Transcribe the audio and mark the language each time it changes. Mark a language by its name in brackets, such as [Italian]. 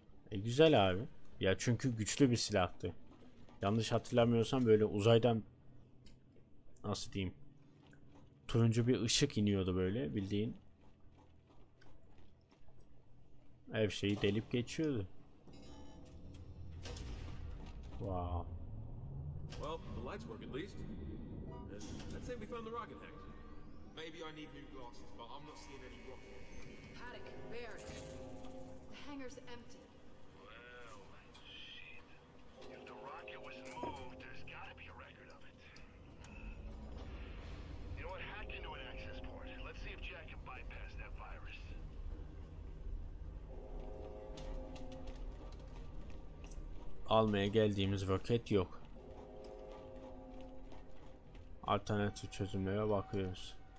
[Turkish] Güzel abi. Ya çünkü güçlü bir silahtı. Yanlış hatırlamıyorsam böyle uzaydan, nasıl diyeyim, turuncu bir ışık iniyordu böyle bildiğin. Her şeyi delip geçiyordu. [English] Wow. Well, the lights work at least. Let's say we found the rocket hack. Maybe I need new glasses, but I'm not seeing any rocket. Paddock, Baird. The hangar's empty. Well, shit. If the rocket was moved, there's gotta be a record of it. You know what? Hack into an access port. Let's see if Jack can bypass that virus. [Turkish] Almaya geldiğimiz roket yok. Alternatif çözümlere bakıyoruz.